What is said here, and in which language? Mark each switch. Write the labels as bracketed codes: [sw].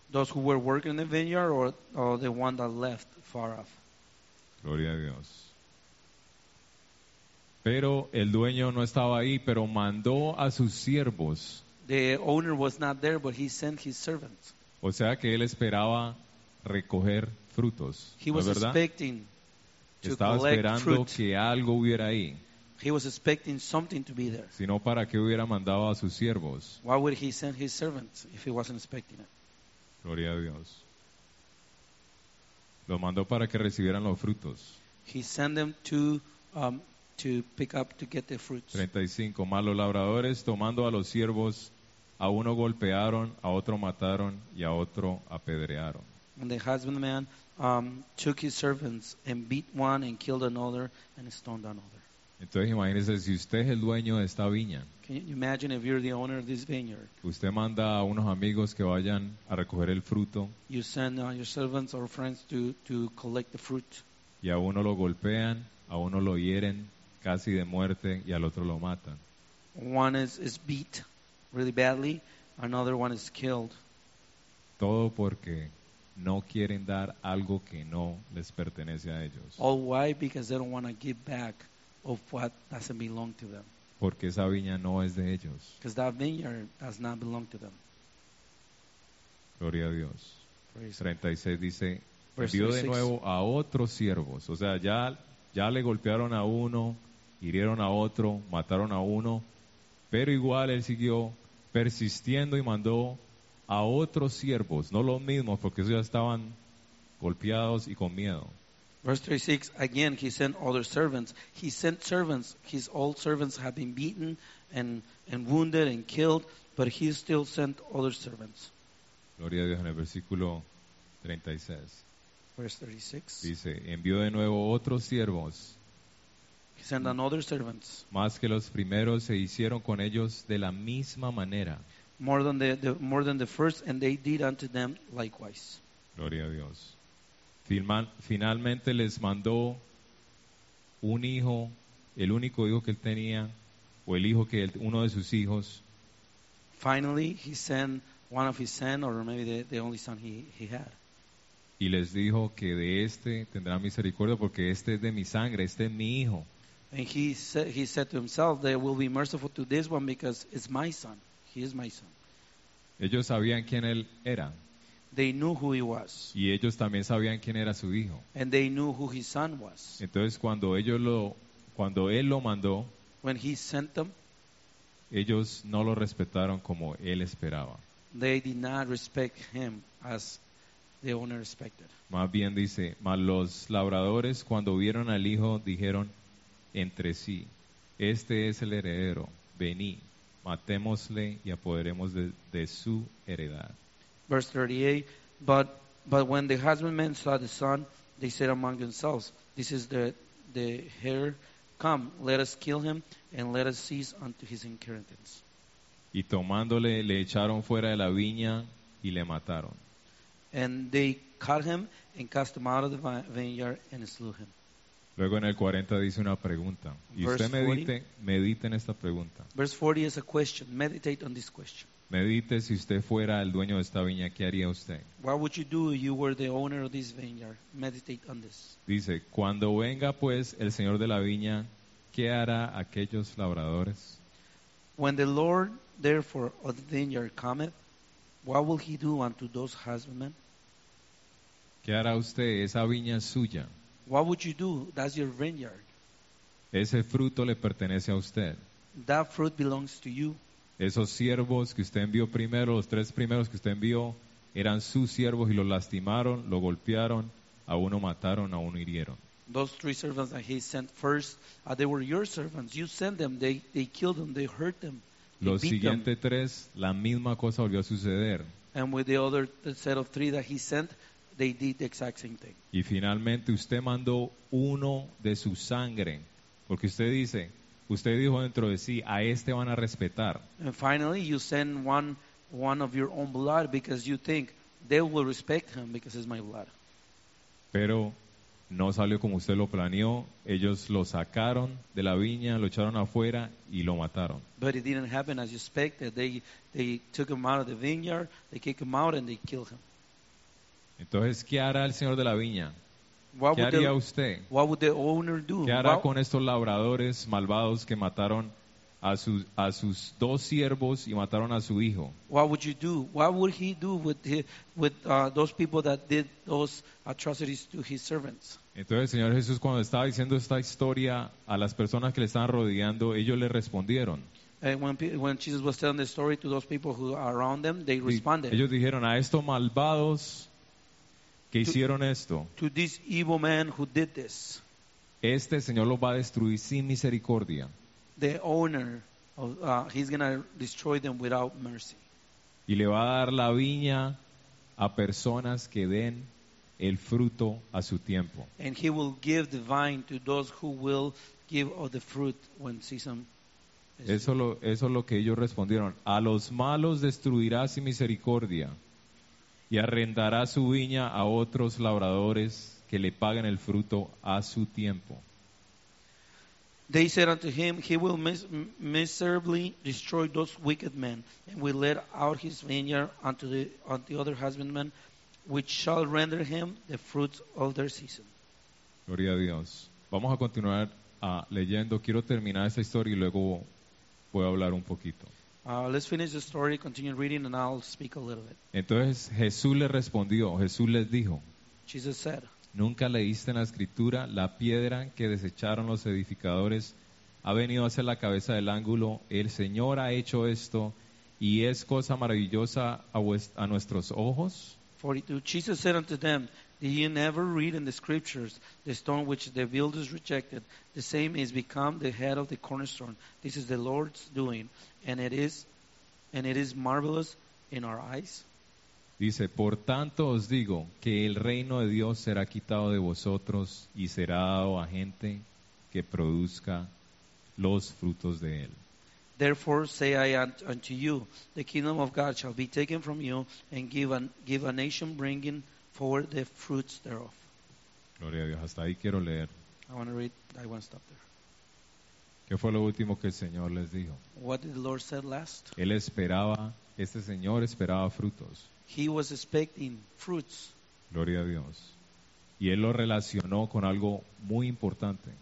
[en] Those who were working in the vineyard or the one that left far off. [es] Gloria a Dios. Pero el dueño no estaba ahí, pero mandó a sus siervos. [en] The owner was not there, but he sent his servants. [es] O sea que él esperaba recoger frutos. [en] He was expecting [es] estaba [en] to collect [es] esperando [en] fruit. [es] Que algo hubiera ahí. [en] He was expecting something to be there. [es] Si no, ¿para qué hubiera mandado a sus siervos? [en] Why would he send his servants if he wasn't expecting it? [es] Gloria a Dios. Lo mandó para que recibieran los frutos. [en] He sent them to pick up to get the fruits. [es] 35. Más los labradores tomando a los siervos, a uno golpearon, a otro mataron y a otro apedrearon. [en] And the husbandman took his servants and beat one and killed another and stoned another. [es] Entonces imagínese si usted es el dueño de esta viña. [en] Can you imagine if you're the owner of this vineyard? [es] Usted manda a unos amigos que vayan a recoger el fruto. [en] You send your servants or friends to collect the fruit. [es] Y a uno lo golpean, a uno lo hieren casi de muerte y al otro lo matan. [en] One is beat really badly, another one is killed. [es] Todo porque no quieren dar algo que no les pertenece a ellos. [en] All why? Because they don't want to give back of what doesn't belong to them. [es] Porque esa viña no es de ellos. [en] Because that vineyard does not belong to them. [es] Gloria a Dios. 36 dice, envió de nuevo a otros siervos. O sea, ya le golpearon a uno, hirieron a otro, mataron a uno, pero igual él siguió persistiendo y mandó a otros siervos, no los mismos, porque ellos ya estaban golpeados y con miedo. [en] Verse 36, again he sent other servants. He sent servants, his old servants had been beaten and wounded and killed, but he still sent other servants. [es] Gloria a Dios en el versículo 36. [en] Verse 36. [es] Dice, envió de nuevo otros siervos. [en] He sent another servants. [es] Más que los primeros se hicieron con ellos de la misma manera. [en] More than the first, and they did unto them likewise. [es] Gloria a Dios. Finalmente les mandó un hijo, el único hijo que él tenía, o el hijo que él, uno de sus hijos. [en] Finally, he sent one of his sons, or maybe the only son he had. [es] Y les dijo que de este tendrá misericordia, porque este es de mi sangre, este es mi hijo. [en] And he said to himself, they will be merciful to this one because it's my son. He is my son. [es] Ellos sabían quién él era. [en] They knew who he was. [es] Y ellos también sabían quién era su hijo. [en] And they knew who his son was. [es] Entonces cuando él lo mandó, [en] when he sent them, [es] ellos no lo respetaron como él esperaba. [en] They did not respect him as the owner expected. [es] Más bien dice, mas los labradores cuando vieron al hijo dijeron entre sí, Este es el heredero. Vení, matémosle y apoderemos de su heredad. [en] Verse 38. But when the husbandmen saw the son, they said among themselves, "This is the heir. Come, let us kill him and let us seize unto his inheritance." [es] Y tomándole, le echaron fuera de la viña y le mataron. [en] And they caught him and cast him out of the vineyard and slew him. [es] Luego en el 40 dice una pregunta. Y verse usted medite en esta pregunta. [en] Verse 40 is a question. Meditate on this question. [es] Medite, si usted fuera el dueño de esta viña, ¿qué haría usted? [en] What would you do if you were the owner of this vineyard? Meditate on this. [es] Dice, cuando venga pues el señor de la viña, ¿qué hará aquellos labradores? [en] When the Lord, therefore, of the vineyard cometh, what will he do unto those husbandmen? [es] ¿Qué hará usted? Esa viña es suya. [en] What would you do? That's your vineyard. [es] Ese fruto le pertenece a usted. [en] That fruit belongs to you. [es] Esos siervos que usted envió primero, los tres primeros que usted envió, eran sus siervos y lo lastimaron, lo golpearon, a uno mataron, a uno hirieron. [en] Those three servants that he sent first, they were your servants. You sent them, they killed them, they hurt them. [es] Los siguientes tres, la misma cosa volvió a suceder. [en] And with the other set of three that he sent, they did the exact same thing. [es] Y finalmente usted mandó uno de su sangre, porque usted dice, usted dijo dentro de sí, a este van a respetar. [en] And finally you send one of your own blood because you think they will respect him because it's my blood. [es] Pero no salió como usted lo planeó. Ellos lo sacaron de la viña, lo echaron afuera y lo mataron. [en] But it didn't happen as you expected. They took him out of the vineyard, they kicked him out and they killed him. [es] Entonces, ¿qué hará el señor de la viña? ¿Qué haría usted? [en] What would the owner do? [es] ¿Qué hará con estos labradores malvados que mataron a sus dos siervos y mataron a su hijo? [en] What would you do? What would he do with those people that did those atrocities to his servants? [es] Entonces el Señor Jesús, cuando estaba diciendo esta historia a las personas que le estaban rodeando, ellos le respondieron. [en] And when Jesus was telling the story to those people who are around them, they responded. [es] Ellos dijeron, a estos malvados que hicieron esto, [en] to this evil man who did this, [es] este Señor los va a destruir sin misericordia. [en] The owner of, he's going to destroy them without mercy. [es] Y le va a dar la viña a personas que den el fruto a su tiempo. [en] And he will give the vine to those who will give of the fruit when season. [es] Eso es lo que ellos respondieron. A los malos destruirá sin misericordia y arrendará su viña a otros labradores que le paguen el fruto a su tiempo. [en] They said unto him, he will miserably destroy those wicked men, and will let out his vineyard unto the other husbandmen, which shall render him the fruits of their season. [es] Gloria a Dios. Vamos a continuar leyendo. Quiero terminar esa historia y luego voy a hablar un poquito. [en] Let's finish the story, continue reading, and I'll speak a little bit. [es] Entonces Jesús le respondió, Jesús les dijo, [en] Jesus said, [es] ¿nunca leíste en la escritura la piedra que desecharon los edificadores ha venido a ser la cabeza del ángulo? El Señor ha hecho esto y es cosa maravillosa a nuestros ojos. 42. [en] Jesus said unto them, did ye never read in the scriptures the stone which the builders rejected? The same is become the head of the cornerstone. This is the Lord's doing, and it is marvelous in our eyes. [es] Dice, por tanto os digo que el reino de Dios será quitado de vosotros y será dado a gente que produzca los frutos de él. [en] Therefore say I unto you, the kingdom of God shall be taken from you and give a nation bringing forward the fruits thereof. [es] Gloria a Dios, hasta ahí quiero leer. [en] I want to read, I want to stop there. [es] ¿Qué fue lo último que el Señor les dijo? [en] What did the Lord said last? [es] Él esperaba, este Señor esperaba frutos. [en] He was expecting fruits. [es] Gloria a Dios. Y él lo relacionó con algo muy importante.